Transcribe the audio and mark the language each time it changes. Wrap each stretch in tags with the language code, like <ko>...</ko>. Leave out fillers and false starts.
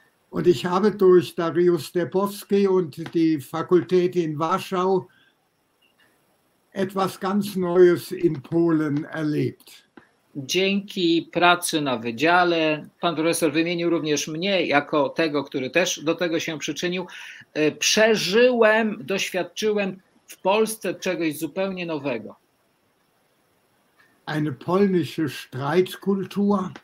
<de>Und ich habe durch Dariusz Depowski und die Fakultät in Warschau etwas ganz Neues in Polen erlebt.</de> <pl>Dzięki pracy na wydziale, pan profesor wymienił również mnie jako tego, który też do tego się przyczynił, przeżyłem, doświadczyłem w Polsce czegoś zupełnie nowego.</pl> <de>Eine polnische Streitkultur.</de>